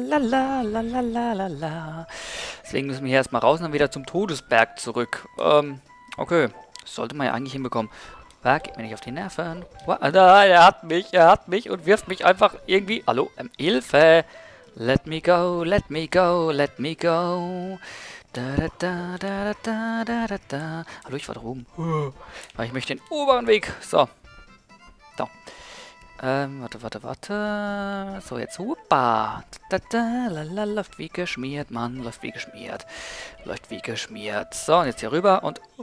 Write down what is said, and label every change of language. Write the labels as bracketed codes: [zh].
[de] Deswegen müssen wir hier erstmal raus und dann wieder zum Todesberg zurück. Okay. Das sollte man ja eigentlich hinbekommen. Da geht mir nicht auf die Nerven. Er hat mich und wirft mich einfach irgendwie. Hallo, Hilfe! [en] Let me go, let me go, let me go. [de] Da, da, da, da, da, da, da, da, da. Hallo, ich war da oben. Ich möchte den oberen Weg. So. Da. Warte, warte, warte. So, jetzt. Hoppa. Da, da, da, la, la, läuft wie geschmiert, Mann. Läuft wie geschmiert. Läuft wie geschmiert. So, und jetzt hier rüber und...